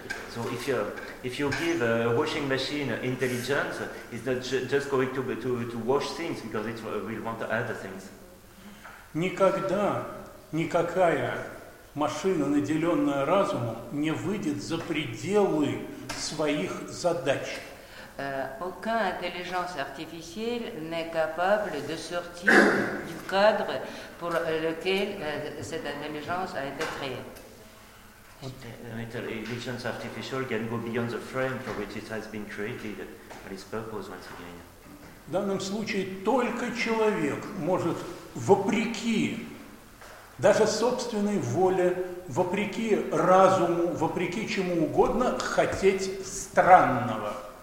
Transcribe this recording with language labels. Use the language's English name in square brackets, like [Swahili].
[English] So if you give a washing machine intelligence, it's not just going to wash things, because it will want to add things. [Russian] Никогда. Никакая машина, наделенная разумом, не выйдет за пределы своих задач. [French] Aucune intelligence artificielle n'est capable de sortir du cadre pour lequel cette intelligence a été créée. [English] Intelligence artificielle can go beyond the frame for which it has been created, but its purpose once again. [Russian] В данном случае только человек может вопреки даже собственной воле, вопреки разуму, вопреки чему угодно, хотеть странного.